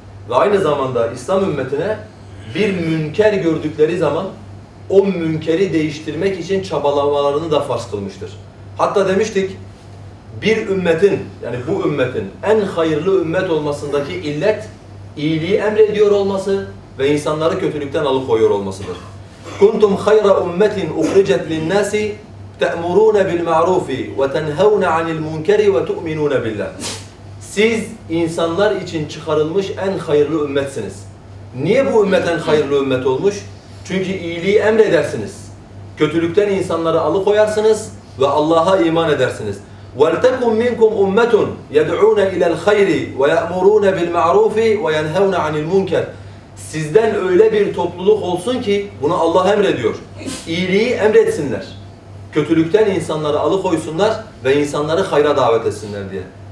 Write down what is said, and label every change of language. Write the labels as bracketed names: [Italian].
[Turkish] Ve aynı zamanda İslam ümmetine bir münker gördükleri zaman o münkeri değiştirmek için çabalamalarını da farz kılmıştır. Hatta demiştik, bir ümmetin, yani bu ümmetin en hayırlı ümmet olmasındaki illet, iyiliği emrediyor olması ve insanları kötülükten alıkoyuyor olmasıdır. [Arabic] كُنْتُمْ خَيْرَ اُمَّتٍ اُخْرِجَتْ لِلنَّاسِ تَأْمُرُونَ بِالْمَعْرُوفِ وَتَنْهَوْنَ عَنِ الْمُنْكَرِ وَتُؤْمِنُونَ بِاللّٰهِ [Turkish] Siz insanlar için çıkarılmış en hayırlı ümmetsiniz. Niye bu ümmet en hayırlı ümmet olmuş? Çünkü iyiliği emredersiniz. Kötülükten insanları alıkoyarsınız ve Allah'a iman edersiniz. [Arabic] وَلْتَكُمْ مِنْكُمْ أُمَّةٌ يَدْعُونَ إِلَى الْخَيْرِ وَيَأْمُرُونَ بِالْمَعْرُوفِ وَيَنْهَوْنَ عَنِ الْمُنْكَرِ [Turkish] Sizden öyle bir topluluk olsun ki, bunu Allah emrediyor, İyiliği emretsinler, kötülükten insanları alıkoysunlar ve insanları hayra davet etsinler diye.